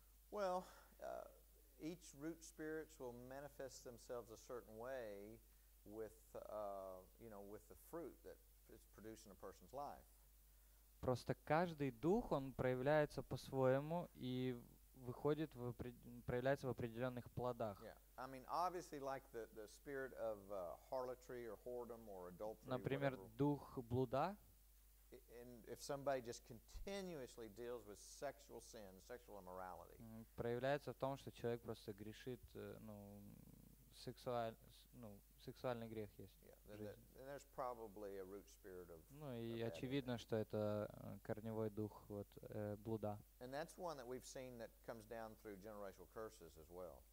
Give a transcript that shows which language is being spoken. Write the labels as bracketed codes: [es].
[en] Well, each root spirit will manifest themselves a certain way with, you know, with the fruit that is produced in a person's life. [ru] Просто каждый дух, он проявляется по-своему и выходит, проявляется в определенных плодах. [en] Yeah. I mean, obviously, like the spirit of harlotry or whoredom or adultery. [ru] Например, дух блуда. [en] And if somebody just continuously deals with sexual sin, sexual immorality, [ru] проявляется в том, что человек просто грешит, ну, сексуаль, ну, сексуальный грех есть. [en] Yeah, and there's probably a root spirit of. [ru] Ну и очевидно, что это корневой дух вот блуда. [en] And that's one that we've seen that comes down through generational curses as well.